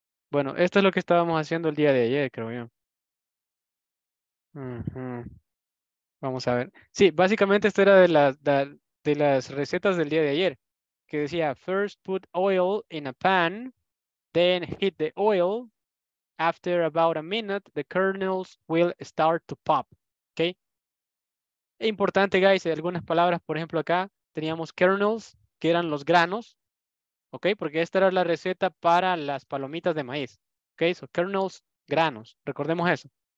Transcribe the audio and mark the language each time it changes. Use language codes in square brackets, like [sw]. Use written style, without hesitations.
[es] Bueno, esto es lo que estábamos haciendo el día de ayer, creo yo. Uh-huh. Vamos a ver. Sí, básicamente esto era de las recetas del día de ayer. Que decía, [en] first put oil in a pan, then heat the oil. After about a minute, the kernels will start to pop. Okay? [es] Importante, guys, algunas palabras, por ejemplo, acá teníamos kernels, que eran los granos, okay, porque esta era la receta para las palomitas de maíz, okay, so kernels, granos, recordemos eso.